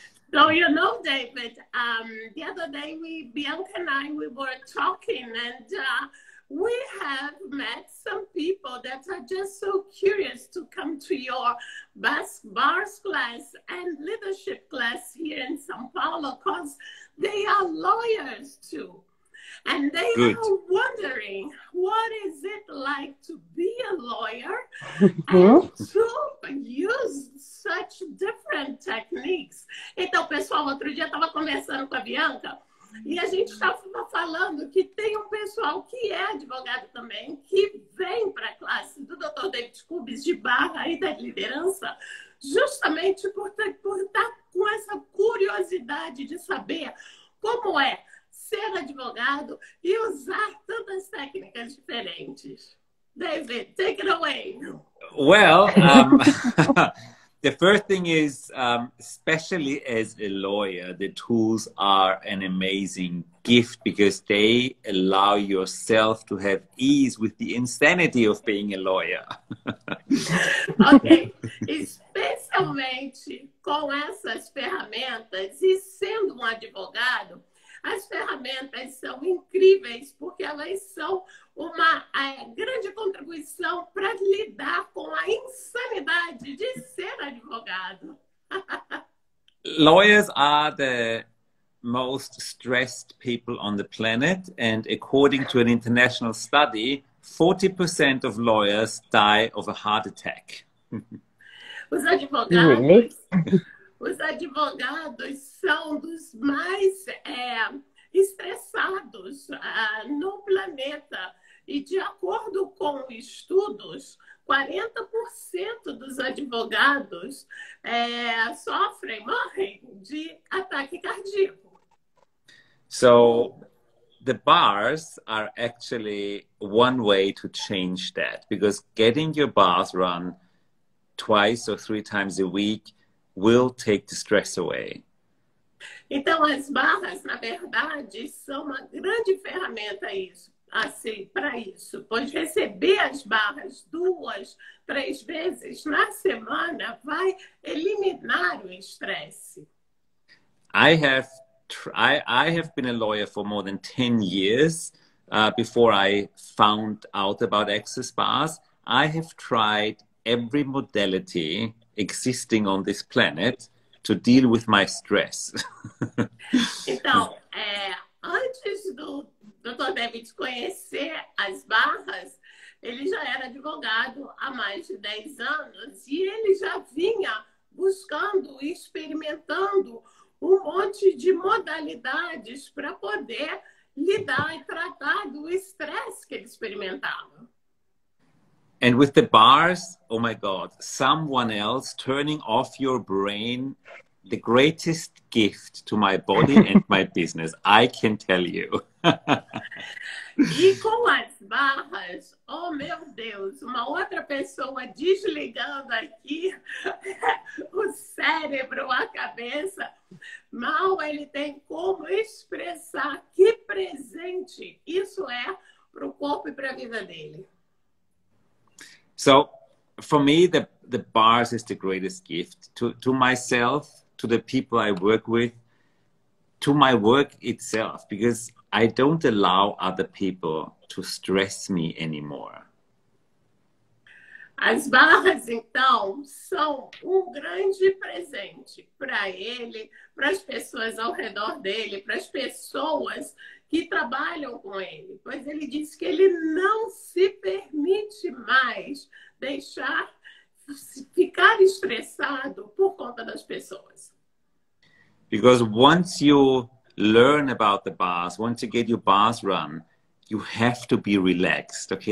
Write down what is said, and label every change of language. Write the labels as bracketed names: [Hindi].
[English] So, you know, David, the other day Bianca and I, we were talking, and we have met some people that are just so curious to come to your bars class and leadership class here in São Paulo because they are lawyers too. And they Good. are wondering what is it like to be a lawyer and Uhum. to use such different techniques. [Portuguese] Então, pessoal, outro dia eu estava conversando com a Bianca e a gente estava falando que tem um pessoal que é advogado também, que vem para a classe do Dr. David Kubess de Barra e da Liderança, justamente por estar com essa curiosidade de saber como é ser advogado e usar tantas técnicas diferentes. [English] David, take it away. Well, the first thing is, especially as a lawyer, the tools are an amazing gift because they allow yourself to have ease with the insanity of being a lawyer. [Portuguese] Ok, especialmente com essas ferramentas e sendo um advogado, as ferramentas são incríveis porque elas são uma grande contribuição para lidar com a insanidade de ser advogado. [English] Lawyers are the most stressed people on the planet, and according to an international study, 40% of lawyers die of a heart attack. Really? [Portuguese] Os advogados são dos mais estressados no planeta. E de acordo com estudos, 40% dos advogados sofrem, morrem de ataque cardíaco. [English] So, the bars are actually one way to change that, because getting your bars run twice or three times a week will take the stress away. [Portuguese] Então, as barras, na verdade, são uma grande ferramenta assim, para isso. Pois receber as barras duas, três vezes na semana vai eliminar o estresse. [English] I have been a lawyer for more than 10 years before I found out about access bars. I have tried every modality existing on this planet to deal with my stress. [Portuguese] Então, antes do Dr. David conhecer as barras, ele já era advogado há mais de 10 anos e ele já vinha buscando, experimentando um monte de modalidades para poder lidar e tratar do estresse que ele experimentava. [English] And with the bars, oh my God, someone else turning off your brain, the greatest gift to my body and my business, I can tell you. [Portuguese] E com as barras, oh meu Deus, uma outra pessoa desligando aqui o cérebro, a cabeça, mal ele tem como expressar que presente isso é para o corpo e para a vida dele. [English] So, for me, the bars is the greatest gift to myself, to the people I work with, to my work itself, because I don't allow other people to stress me anymore. [Portuguese] As barras, então, são grande presente para ele, para as pessoas ao redor dele, para as pessoas que trabalham com ele, pois ele disse que ele não se permite mais deixar ficar estressado por conta das pessoas. [English] Because once you learn about the bars, once you get your bars run, you have to be relaxed, okay?